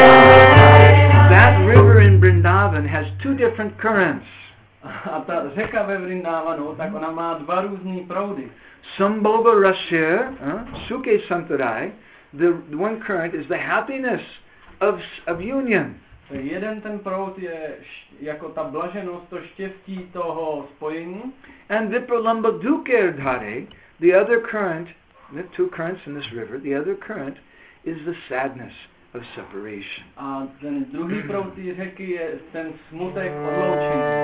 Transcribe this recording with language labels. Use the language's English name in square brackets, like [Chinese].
[English] That river in Vrindavan has two different currents. [Czech] A ta řeka ve Vrindavanu, tak ona má dva různé proudy. [Bangla] Sambhoga rasya, sukhe santarai, [English] the one current is the happiness of union. [Czech] Jeden ten proud je jako ta blaženost, to štěstí toho spojení. [English] And [Bangla] vipralamba dukher dhare, [English] the other current, the two currents in this river, the other current is the sadness of separation. [Czech] A ten druhý proud řeky je ten smutek odloučení.